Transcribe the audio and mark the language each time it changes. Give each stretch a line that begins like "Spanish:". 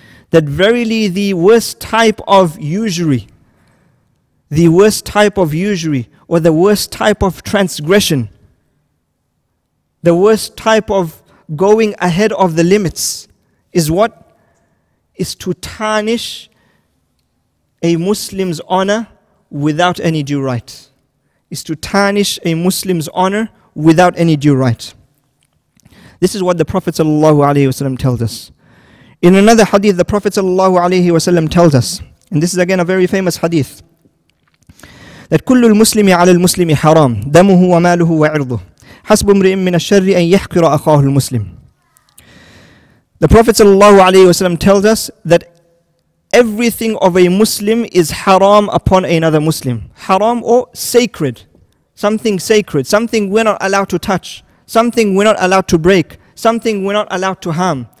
English: That verily the worst type of usury, the worst type of usury, or the worst type of transgression, the worst type of going ahead of the limits, is what? Is to tarnish a Muslim's honor without any due right. Is to tarnish a Muslim's honor without any due right. This is what the Prophet ﷺ tells us. In another hadith, the Prophet ﷺ tells us, and this is again a very famous hadith, that
Arabic: كل المسلم على المسلم حرام دمه وماله وعرضه حسب امرئ من الشر أن يحقر أخاه المسلم.
English: The Prophet ﷺ tells us that everything of a Muslim is haram upon another Muslim. Haram or sacred. Something sacred. Something we're not allowed to touch. Something we're not allowed to break. Something we're not allowed to harm.